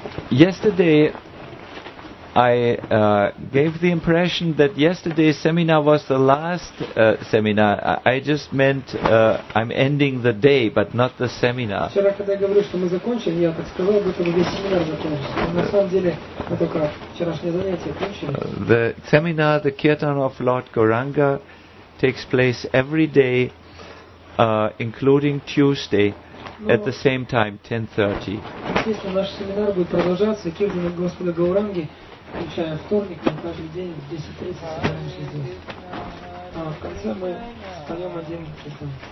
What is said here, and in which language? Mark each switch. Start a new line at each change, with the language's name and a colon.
English: Yesterday I gave the impression that yesterday's seminar was the last seminar. I just meant I'm ending the day, but not the seminar.
Russian: Вчера, когда я говорил, что мы закончили, я так сказал, будто бы весь семинар закончился. На самом деле, мы только вчерашнее занятие кончили.
English: The seminar, the kirtan of Lord Gauranga, takes place every day including Tuesday, at the same time, 10:30.
Russian: Естественно, наш семинар будет продолжаться, кирдана Господа Гауранги, включая вторник, на каждый день, в 10:30, собираемся здесь. А в конце мы споем один кирдан.